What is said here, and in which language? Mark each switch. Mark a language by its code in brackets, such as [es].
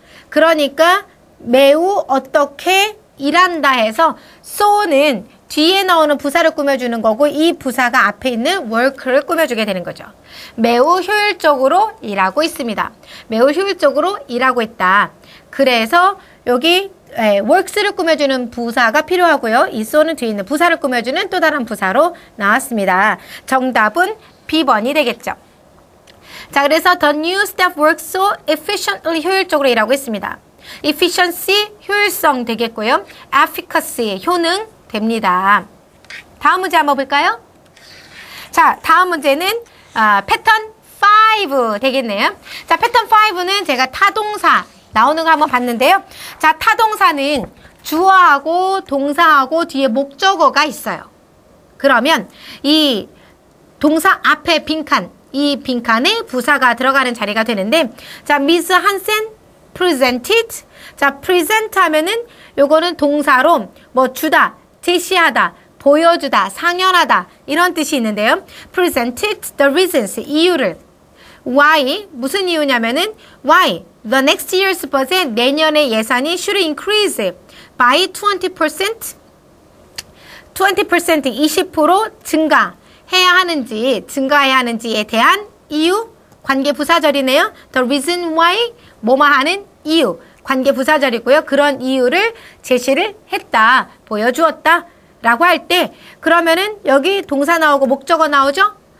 [ko] 그러니까 매우 어떻게 일한다 해서 so는 뒤에 나오는 부사를 꾸며주는 거고 이 부사가 앞에 있는 work를 꾸며주게 되는 거죠. 매우 효율적으로 일하고 있습니다. 매우 효율적으로 일하고 있다. 그래서 여기 works를 꾸며주는 부사가 필요하고요. 이 so는 뒤에 있는 부사를 꾸며주는 또 다른 부사로 나왔습니다. 정답은 b번이 되겠죠. 자, 그래서 [en] the new staff works so efficiently, [ko] 효율적으로 일하고 있습니다. efficiency, 효율성 되겠고요. efficacy, 효능 됩니다. 다음 문제 한번 볼까요? 자, 다음 문제는 pattern 5 되겠네요. 자, pattern 5는 제가 타동사 나오는 거 한번 봤는데요. 자, 타동사는 주어하고 동사하고 뒤에 목적어가 있어요. 그러면 이 동사 앞에 빈칸, 이 빈칸에 부사가 들어가는 자리가 되는데 자, [en] Miss Hansen presented. [ko] 자, present 하면은 요거는 동사로 뭐 주다, 제시하다, 보여주다, 상연하다 이런 뜻이 있는데요. [en] presented the reasons, [ko] 이유를. [en] why, [ko] 무슨 이유냐면은 [en] why, the next year's budget, [ko] 내년의 예산이 [en] should increase by 20%, 20%, [ko] 20% 증가. 해야 하는지 증가해야 하는지에 대한 이유 관계 부사절이네요. [en] The reason why [ko] 뭐뭐 하는 이유 관계 부사절이고요. 그런 이유를 제시를 했다 보여주었다 라고 할 때 그러면은 여기 동사 나오고 목적어 나오죠.